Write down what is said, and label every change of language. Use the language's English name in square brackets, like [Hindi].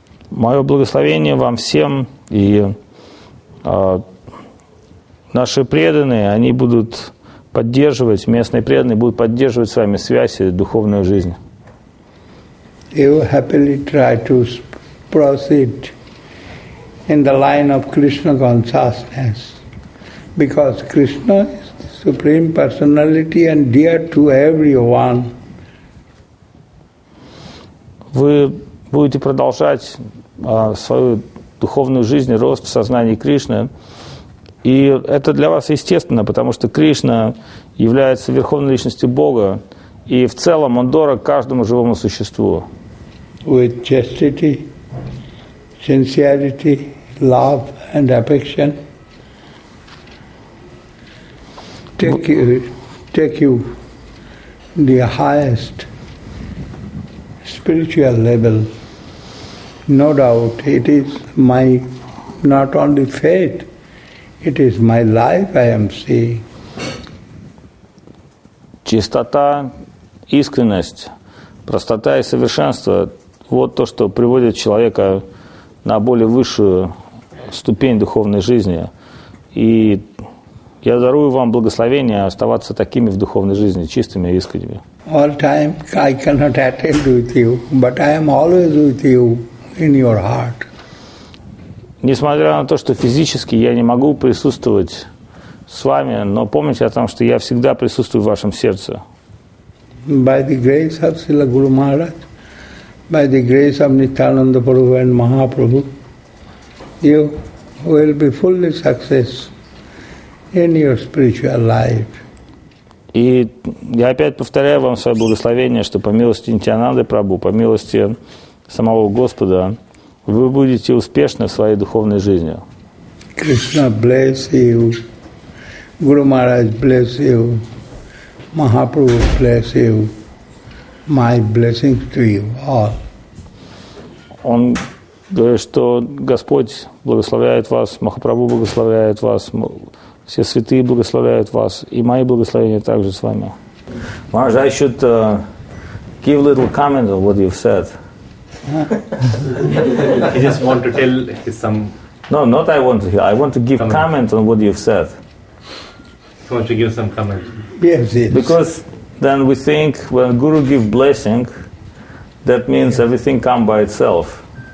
[Russian] Мое благословение вам всем. И наши преданные, они будут поддерживать, местные преданные будут поддерживать с вами связь и духовную жизнь. [English] You happily try to proceed in the line of Krishna consciousness, because Krishna is the supreme personality and dear to everyone. [Russian] Вы будете продолжать свою духовную жизнь, рост в сознании Кришны. И это для вас естественно, потому что Кришна является верховной личностью Бога, и в целом он дорог каждому живому существу. [English] With chastity, sincerity, love and affection, take you the highest spiritual level. No doubt, it is my, not only faith, it is my life I am seeing. [Russian] Чистота, искренность, простота и совершенство – вот то, что приводит человека на более высшую ступень духовной жизни. И я дарую вам благословение оставаться такими в духовной жизни, чистыми и искренними. [English] All time I cannot attend with you, but I am always with you. In your heart. [Russian] Несмотря на то, что физически я не могу присутствовать с вами, но помните о том, что я всегда присутствую в вашем сердце. [English] By the grace of Srila Guru Maharaj, by the grace of Nityananda Prabhu and Mahaprabhu, you will be fully successful in your spiritual life. [Russian] И я опять повторяю вам свое благословение, что по милости Нитянанды Прабху, по милости самого Господа, вы будете успешны в своей духовной жизни. [English] Krishna bless you Guru Maharaj bless you, Mahaprabhu bless you, my blessings to you all. [Russian] Он говорит, что Господь благословляет вас, Махапрабху благословляет вас, все святые благословляют вас, и мои благословения также с вами. [English] Maharaj, I should give little comment on what you've said. He just want to tell some. No, not I want to hear. I want to give comment on what you've said. He wants to give some comment. Yes, yes. Because then we think when Guru give blessing, that means everything come by itself.